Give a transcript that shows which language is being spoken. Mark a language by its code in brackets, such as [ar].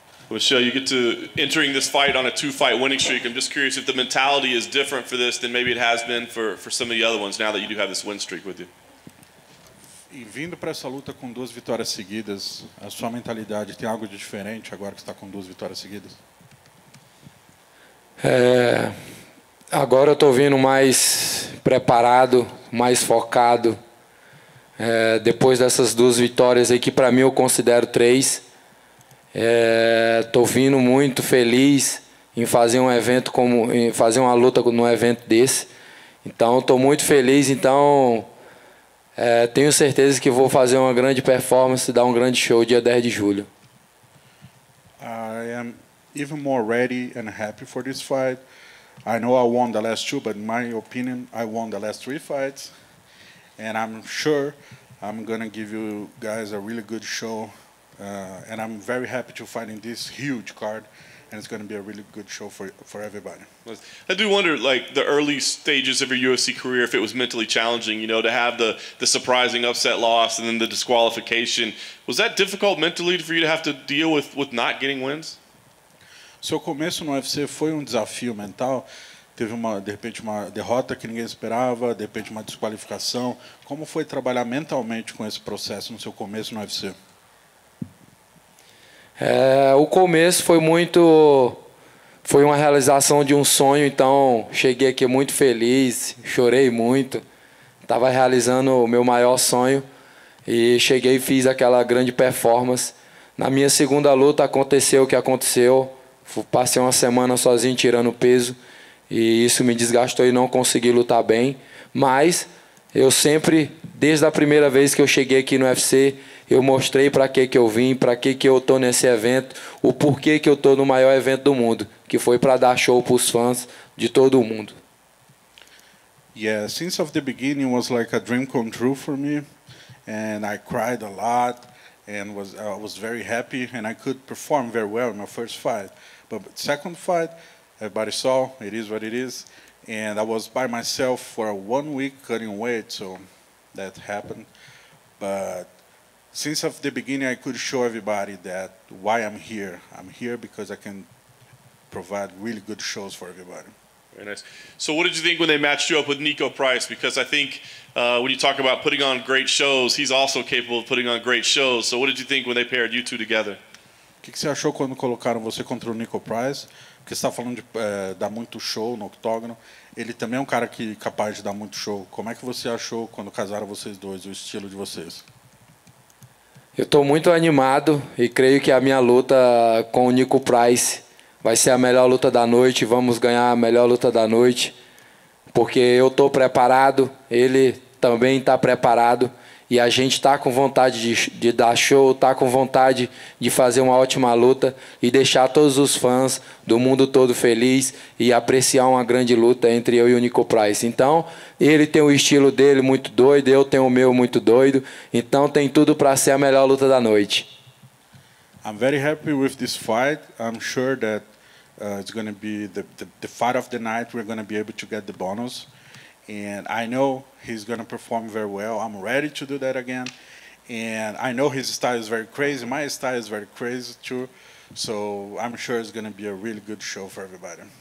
[en] Michelle, you get to entering this fight on a two-fight winning streak. I'm just curious if the mentality is different for this than maybe it has been for some of the other ones now that you do have this win streak with you. [pt] E vindo para essa luta com duas vitórias seguidas, a sua mentalidade tem algo de diferente agora que está com duas vitórias seguidas? Agora eu estou vindo mais preparado, mais focado. Depois dessas duas vitórias aí, que para mim eu considero três, estou vindo muito feliz em fazer um evento como, em fazer uma luta num evento desse. Então estou muito feliz, então tenho certeza que vou fazer uma grande performance, dar um grande show dia 10 de julho. [en] I am even more ready and happy for this fight. I know I won the last two, but in my opinion, I won the last three fights. And I'm sure I'm gonna give you guys a really good show. And I'm very happy to fight in this huge card, and it's gonna be a really good show for everybody. I do wonder, like, the early stages of your UFC career, if it was mentally challenging, you know, to have the surprising upset loss and then the disqualification. Was that difficult mentally for you to have to deal with not getting wins? [pt] Seu começo no UFC foi um desafio mental. Teve uma, de repente, uma derrota que ninguém esperava, de repente uma desqualificação. Como foi trabalhar mentalmente com esse processo no seu começo no UFC? O começo foi muito, foi uma realização de um sonho. Então cheguei aqui muito feliz, chorei muito, estava realizando o meu maior sonho e cheguei e fiz aquela grande performance. Na minha segunda luta aconteceu o que aconteceu. Passei uma semana sozinho tirando peso e isso me desgastou e não consegui lutar bem. Mas eu sempre, desde a primeira vez que eu cheguei aqui no UFC, eu mostrei para que que eu vim, para que que eu estou nesse evento, o porquê que eu estou no maior evento do mundo, que foi para dar show para os fãs de todo o mundo. [en] Yeah, since of the beginning was like a dream come true for me, and I cried a lot. And I was very happy, and I could perform very well in my first fight. But second fight, everybody saw, it is what it is. And I was by myself for 1 week cutting weight, so that happened. But since of the beginning, I could show everybody that why I'm here. I'm here because I can provide really good shows for everybody. Very nice. So what did you think when they matched you up with Nico Price? Because I think when you talk about putting on great shows, he's also capable of putting on great shows. So what did you think when they paired you two together? [pt] O que você achou quando colocaram você contra o Nico Price? Porque você está falando de dar muito show no octógono. Ele também é um cara que capaz de dar muito show. Como é que você achou quando casaram vocês dois, o estilo de vocês? Eu estou muito animado e creio que a minha luta com o Nico Price vai ser a melhor luta da noite. Vamos ganhar a melhor luta da noite. Porque eu estou preparado, ele também está preparado. E a gente está com vontade de dar show, está com vontade de fazer uma ótima luta e deixar todos os fãs do mundo todo feliz e apreciar uma grande luta entre eu e o Nico Price. Então, ele tem o estilo dele muito doido, eu tenho o meu muito doido. Então, tem tudo para ser a melhor luta da noite. [en] I'm very happy with this fight. I'm sure that it's going to be the fight of the night. We're going to be able to get the bonus. And I know he's going to perform very well. I'm ready to do that again. And I know his style is very crazy. My style is very crazy too. So I'm sure it's going to be a really good show for everybody.